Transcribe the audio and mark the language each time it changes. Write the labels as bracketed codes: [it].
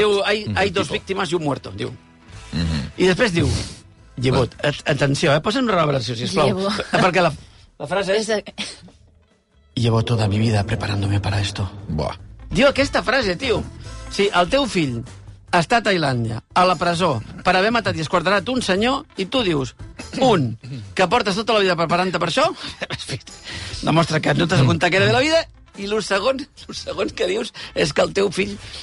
[es] Diu, hay dos víctimas y un muerto, diu. [ca] I després diu, llevot, atenció, posa'm una reverberació, sisplau. [es] Llevo. [ca] Perquè la frase és... [es] Llevo toda mi vida preparándome para esto. Buah. [ca] Diu aquesta frase, tio. Sí, el teu fill... Està a Tailàndia, a la presó, per haver matat i esquartarat un senyor, i tu dius, un, que portes tota la vida preparant-te per això, demostra que no t'has comptat que era de la vida, i el segon que dius és que el teu fill